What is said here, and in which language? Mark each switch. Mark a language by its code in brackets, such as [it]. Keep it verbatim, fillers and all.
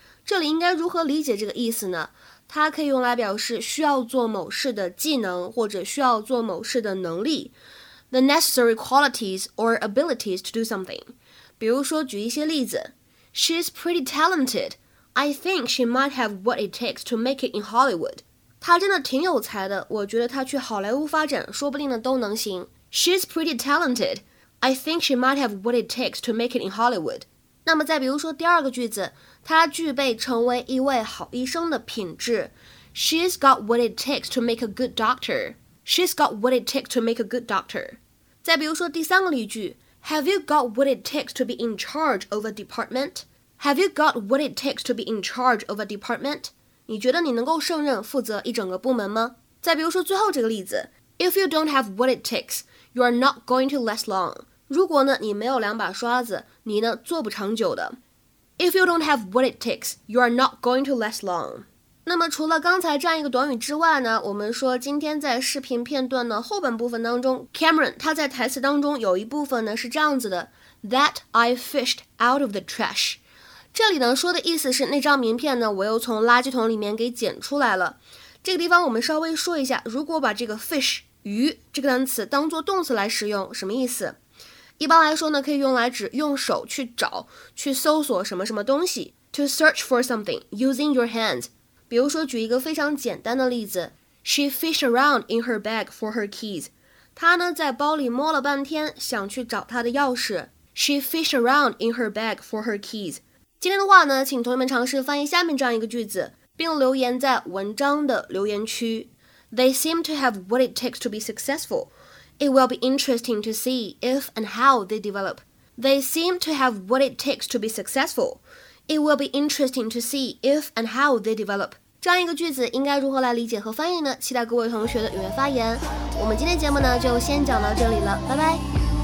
[zh] 这里应该如何理解这个意思呢？它可以用来表示需要做某事的技能，或者需要做某事的能力。 [en] The necessary qualities or abilities to do something. [zh] 比如说，举一些例子。 [en] She's pretty talented. I think she might have what it takes to make it in Hollywood. [zh] 她真的挺有才的，我觉得她去好莱坞发展，说不定呢都能行。 [en] She's pretty talented. I think she might have what it takes to make it in Hollywood. [zh] 那么再比如说第二个句子，她具备成为一位好医生的品质。 [en] She's got what it takes to make a good doctor. She's got what it takes to make a good doctor. [zh] 再比如说第三个例句。 [en] Have you got what it takes to be in charge of a department? Have you got what it takes to be in charge of a department? [zh] 你觉得你能够胜任负责一整个部门吗？再比如说最后这个例子 [en] ，If you don't have what it takes, you are not going to last long. [zh] 如果呢你没有两把刷子，你呢做不长久的。 [en] If you don't have what it takes, you are not going to last long. [zh] 那么除了刚才这样一个短语之外呢，我们说今天在视频片段的后半部分当中 Cameron 他在台词当中有一部分呢是这样子的 [en] That I fished out of the trash [zh] 这里呢说的意思是那张名片呢我又从垃圾桶里面给捡出来了。这个地方我们稍微说一下，如果把这个 fish 鱼这个单词当作动词来使用，什么意思？一般来说呢，可以用来指用手去找、去搜索什么什么东西。 [en] To search for something using your hands。 [zh] 比如说，举一个非常简单的例子 [en] ，She fished around in her bag for her keys。 [zh] 她呢在包里摸了半天，想去找她的钥匙。 [en] She fished around in her bag for her keys。 [zh] 今天的话呢，请同学们尝试翻译下面这样一个句子，并留言在文章的留言区。 [en] They seem to have what it takes to be successful. It will be interesting to see if and how they develop. They seem to have what it takes to be successful. It will be interesting to see if and how they develop. [zh] 这样一个句子应该如何来理解和翻译呢？期待各位同学的踊跃发言。我们今天节目呢就先讲到这里了，拜拜。